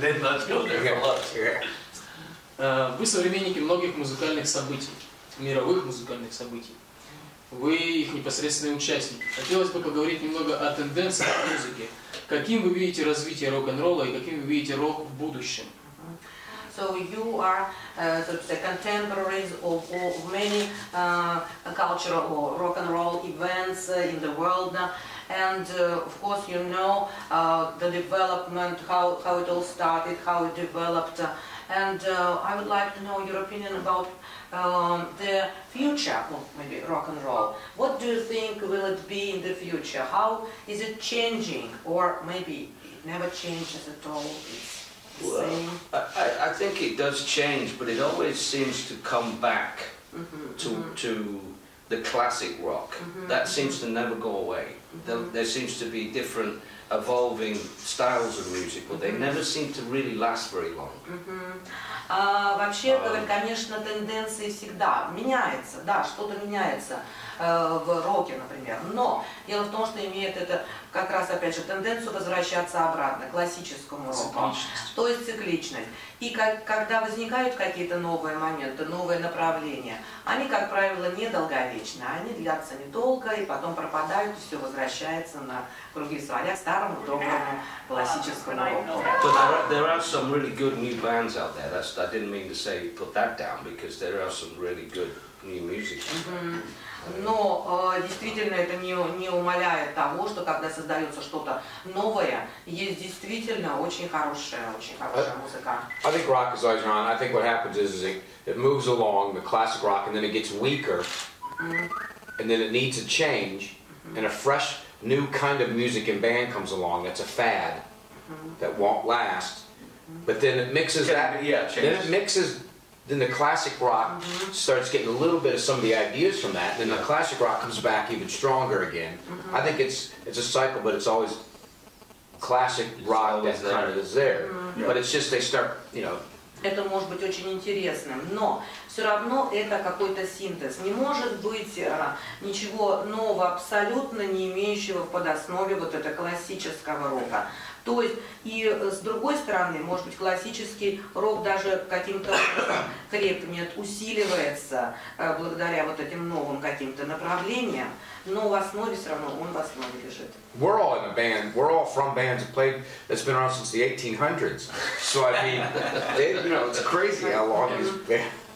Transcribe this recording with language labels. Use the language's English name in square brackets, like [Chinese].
[English] Then let's go there for lunch. [Russian] Вы современники многих музыкальных событий, мировых музыкальных событий. Вы их непосредственные участники. Хотелось бы поговорить немного о тенденциях в музыке. Каким вы видите развитие рок-н-ролла и каким вы видите рок в будущем? [English] So you are the contemporaries of many cultural or rock and roll events in the world, and of course you know the development, how it all started, how it developed, and I would like to know your opinion about the future of maybe rock and roll. What do you think will it be in the future? How is it changing, or maybe it never changes at all? Well, I think it does change, but it always seems to come back to the classic rock. That seems to never go away. There seems to be different evolving styles of music, but they never seem to really last very long. [Russian] Вообще, конечно, тенденции всегда меняются. Да, что-то меняется в роке, например. Но дело в том, что имеет это как раз, опять же, тенденцию возвращаться обратно к классическому року. То есть цикличность. И когда возникают какие-то новые моменты, новые направления, они, как правило, недолговечны. Они длятся недолго и потом пропадают, и все возвращается на круги своя к старому доброму классическому року. [English] There are some really good new bands out there. I didn't mean to say put that down because there are some really good new music. [Russian] Но действительно это не умаляет того, что когда создается что-то новое, есть действительно очень хорошая музыка. [English] I think rock is always around. I think what happens is it moves along the classic rock and then it gets weaker, and then it needs a change, and a fresh new kind of music and band comes along. It's a fad that won't last. But then it mixes then it mixes, then the classic rock starts getting a little bit of some of the ideas from that, then the classic rock comes back even stronger again. I think it's a cycle, but it's always classic rock that kind of is there. But it's just they start, you know. [Russian] Это может быть очень интересным, но все равно это какой-то синтез. Не может быть ничего нового, абсолютно не имеющего в подоснове вот этого классического рока. То есть и с другой стороны, может быть, классический рок даже каким-то образом крепнет, усиливается благодаря вот этим новым каким-то направлениям, но в основе все равно он в основе лежит. [English] We're all in a band. We're all from bands that's been around since the 1800s. So I mean, it's crazy how long these bands.